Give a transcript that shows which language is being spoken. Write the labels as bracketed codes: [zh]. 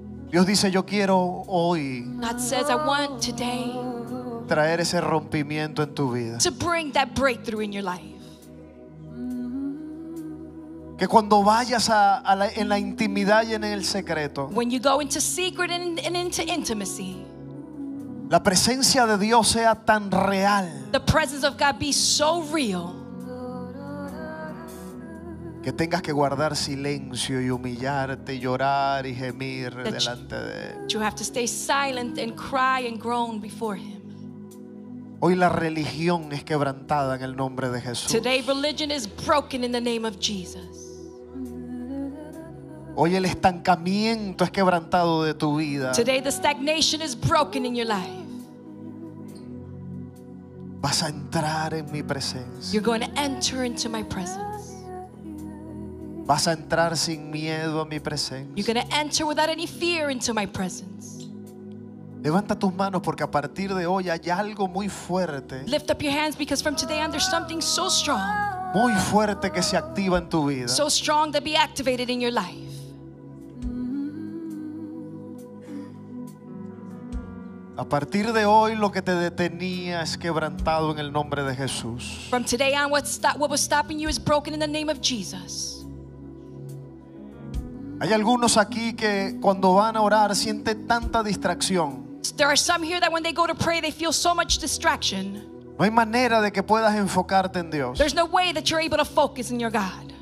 [es] Dios dice, yo quiero hoy. [en] God says, I want today. [es] Traer ese rompimiento en tu vida. [en] To bring that breakthrough in your life. [es] Que cuando vayas en la intimidad y en el secreto, [en] when you go into secret and into intimacy, [es] la presencia de Dios sea tan real, [en] the presence of God be so real, [es] que tengas que guardar silencio y humillarte, llorar y gemir delante de él. [en] You have to stay silent and cry and groan before him. [es] Hoy la religión es quebrantada en el nombre de Jesús. [en] Today religion is broken in the name of Jesus. [es] Hoy el estancamiento es quebrantado de tu vida. [en] Today the stagnation is broken in your life. [es] Vas a entrar en mi presencia. [en] You're going to enter into my presence. [es] Vas a entrar sin miedo a mi presencia. [en] You're going to enter without any fear into my presence. [es] Levanta tus manos porque a partir de hoy hay algo muy fuerte. [en] Lift up your hands because from today on there's something so strong. [es] Muy fuerte que se activa en tu vida. [en] So strong that be activated in your life. [es] A partir de hoy lo que te detenía es quebrantado en el nombre de Jesús. [en] From today on what was stopping you is broken in the name of Jesus. [es] Hay algunos aquí que cuando van a orar sienten tanta distracción. [en] There are some here that when they go to pray they feel so much distraction. [es] No hay manera de que puedas enfocarte en Dios. [en] There's no way that you're able to focus in your God.